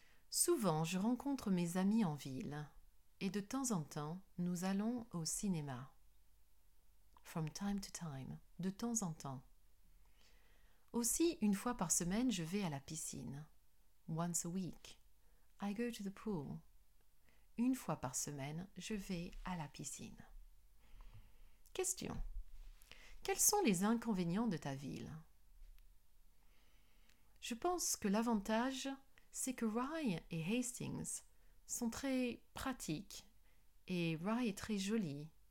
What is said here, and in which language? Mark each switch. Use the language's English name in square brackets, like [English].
[French] Souvent, je rencontre mes amis en ville et de temps en temps, nous allons au cinéma. [English] From time to time, [French] de temps en temps. Aussi, une fois par semaine, je vais à la piscine. [English] Once a week, I go to the pool. [French] Une fois par semaine, je vais à la piscine. Question. Quels sont les inconvénients de ta ville? Je pense que l'avantage, c'est que Rye et Hastings sont très pratiques et Rye est très joli.